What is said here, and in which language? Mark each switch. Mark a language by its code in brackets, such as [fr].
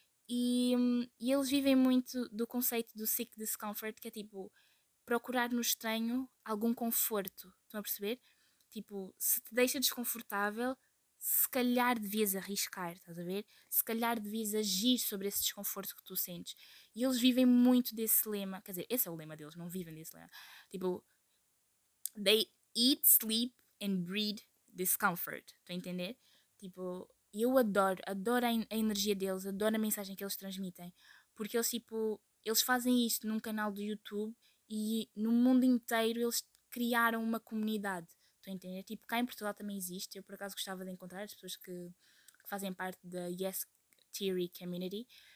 [pt] E eles vivem muito do conceito do seek discomfort, que é tipo procurar no estranho algum conforto. Estão a perceber? Tipo, se te deixa desconfortável, se calhar devias arriscar, estás a ver? Se calhar devias agir sobre esse desconforto que tu sentes. E eles vivem muito desse lema. Quer dizer, esse é o lema deles, não vivem desse lema. [en] Tipo, they eat, sleep and breathe discomfort. [pt] Estão a entender? Tipo, eu adoro, adoro a energia deles, adoro a mensagem que eles transmitem. Porque eles, tipo, eles fazem isto num canal do YouTube e no mundo inteiro eles criaram uma comunidade. Estão a entender? Tipo, cá em Portugal também existe. Eu, por acaso, gostava de encontrar as pessoas que fazem parte da Yes Theory Community.